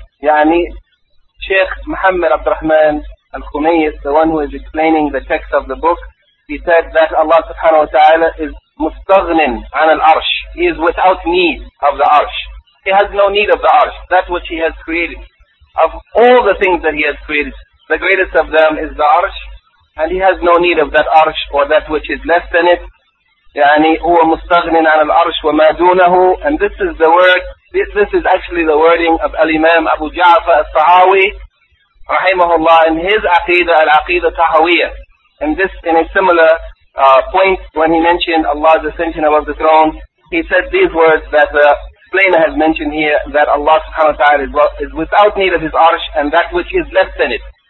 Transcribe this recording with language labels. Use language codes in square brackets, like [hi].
[en] يعني Shaykh Muhammad Abd Rahman Al-Khumayyis, the one who is explaining the text of the book, he said that Allah subhanahu wa ta'ala is [ar] مُسْتَغْنٍ عَنَ الْأَرْشِ. [en] He is without need of the arsh. He has no need of the arsh. That's what he has created. Of all the things that he has created, the greatest of them is the arsh. And he has no need of that arsh or that which is less than it. [ar] يعني هو مستغن عن الأرش وما دونه. [en] And this is the word, this is actually the wording of Al-Imaam Abu Ja'far al-Sahawi rahimahullah in his Aqidah, Al-Aqidah Tahawiyyah. And this, in a similar point, when he mentioned Allah's ascension above the throne, he said these words that the explainer has mentioned here, that Allah subhanahu wa ta'ala is without need of his arsh and that which is less than it.